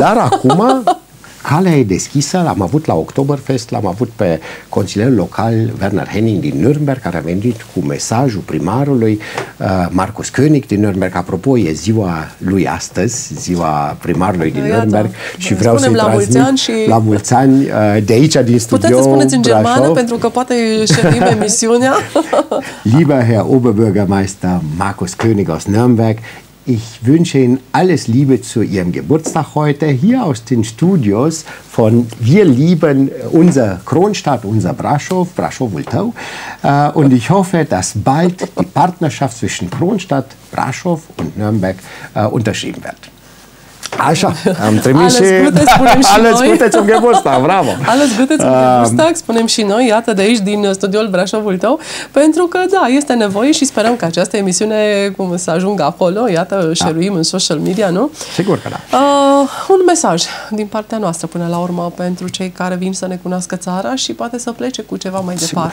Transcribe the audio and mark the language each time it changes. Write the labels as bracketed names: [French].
[Romanian] Dar acum calea e deschisă, l-am avut la Oktoberfest, l-am avut pe consilierul local Werner Henning din Nürnberg, care a venit cu mesajul primarului Marcus König din Nürnberg. Apropo, e ziua lui astăzi, ziua primarului din Nürnberg. Și vreau să-i transmit la mulți ani de aici, din studio. Puteți să spuneți în germană, pentru că poate șerim emisiunea. [German] Lieber Herr Oberbürgermeister Marcus König aus Nürnberg, ich wünsche Ihnen alles Liebe zu Ihrem Geburtstag heute hier aus den Studios von Wir lieben unser Kronstadt, unser Brasov, Brasovul tău. Und ich hoffe, dass bald die Partnerschaft zwischen Kronstadt, Brasov und Nürnberg unterschrieben wird. [Romanian] Așa, am trimis [German] alles gute, [Romanian] spunem și [German] alles gute zum Geburtstag, bravo! Alles gute zum Geburtstag, [Romanian] spunem și noi, iată, de aici, din studioul Brașovul tău, pentru că, da, este nevoie și sperăm că această emisiune cum să ajungă acolo, iată, șeruim în social media, nu? Sigur că da. Un mesaj din partea noastră, până la urmă, pentru cei care vin să ne cunoască țara și poate să plece cu ceva mai departe.